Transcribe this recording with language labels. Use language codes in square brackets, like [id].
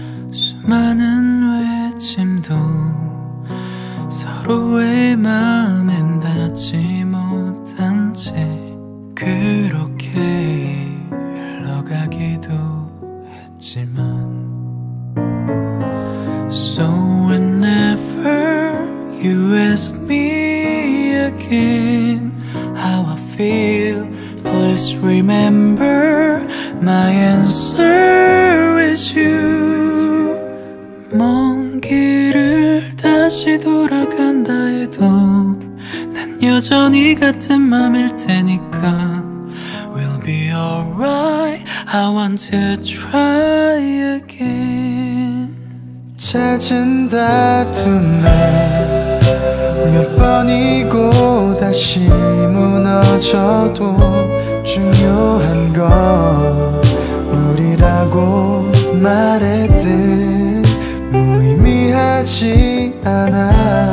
[ko] 수많은 외침도 서로의 마음엔 닿지 못한 채 그렇게 흘러가기도 했지만. [en] So whenever you ask me again how I feel, please remember my answer is you. [ko] 먼 길을 다시 돌아간다 해도 난 여전히 같은 맘일 테니까. [en] We'll be alright. I want to try again. [ko] 찾은 다툼에 몇 번이고 다시 무너져도 중요한 건 우리라고 말했듯 무의미하지 않아.